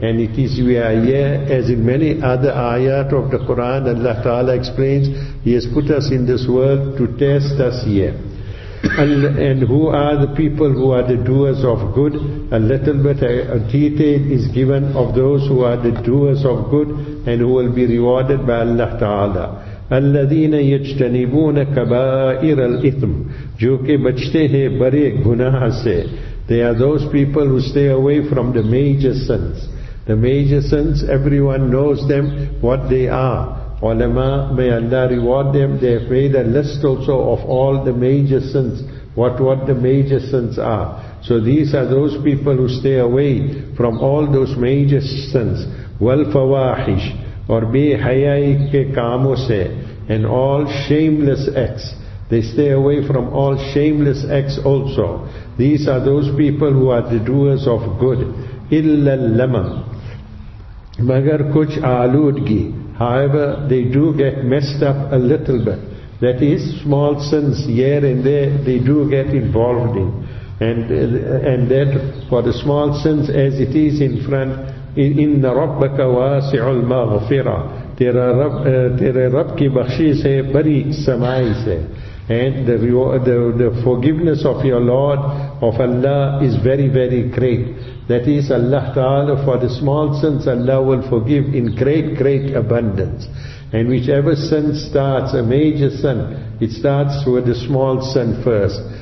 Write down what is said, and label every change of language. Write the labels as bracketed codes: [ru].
[en] And it is we are here, as in many other ayat of the Quran, Allah Ta'ala explains, He has put us in this world to test us here. And who are the people who are the doers of good? A little bit of detail is given of those who are the doers of good and who will be rewarded by Allah Ta'ala. [ar] الَّذِينَ يَجْتَنِبُونَ كَبَائِرَ الْإِثْمِ [ur] جو کہ بچتے ہیں برے گناہ سے. [en] They are those people who stay away from the major sins. The major sins, everyone knows them, what they are. Ulama, may Allah reward them, they have made a list also of all the major sins, what the major sins are. So these are those people who stay away from all those major sins. [ar] وَالْفَوَاحِشِ [ur] اور بے حیائی کے کاموں سے [en] and all shameless acts. They stay away from all shameless acts also. These are those people who are the doers of good. [ar] إِلَّا اللَّمَمْ [ur] مَگر کچھ آلودگی. [en] However, they do get messed up a little bit. That is, small sins here and there, they do get involved in. And that for the small sins as it is in front, [ar] إِنَّ رَبَّكَ وَاسِعُ الْمَغْفِرَةِ [ur] تیرے رب کی بخشیس ہے بری سمائی سے. [en] And the forgiveness of your Lord, of Allah, is very, very great. That is, Allah Ta'ala, for the small sins, Allah will forgive in great, great abundance. And whichever sin starts, a major sin, it starts with a small sin first.